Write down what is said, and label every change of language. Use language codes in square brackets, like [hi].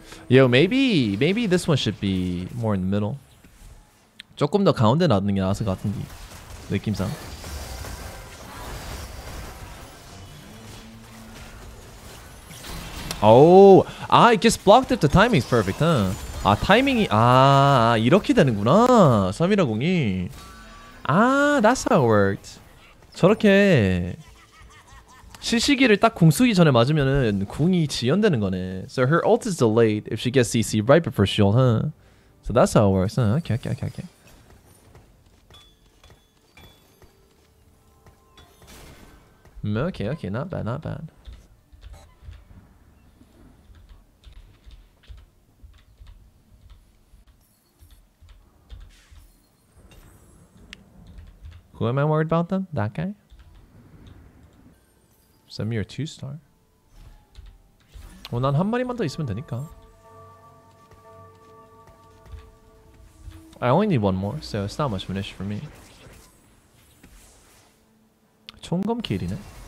[en] 요 maybe this one should be more in the middle. [ko] 조금 더 가운데 놔두는 게 나았을 것 같은데 느낌상. [en] 오, 아 it gets blocked if the timing is perfect. Huh? [ko] 아 타이밍이 아 이렇게 되는구나 3이라 공이. [en] 아 that's how it worked. [ko] 저렇게 실시기를 딱 공 쓰기 전에 맞으면은 궁이 지연되는 거네. [en] So her ult is delayed if she gets CC right before she ult, huh? So that's how it works, huh? Okay, okay, okay, okay. 네, okay, okay, not bad, not bad. 그 Who am I worried about them? That guy? Send me your 2-star. [ko] 어, 난 한 마리만 더 있으면 되니까. [en] I only need one more, so it's not much of an issue for me. [ko] 총검 킬이네.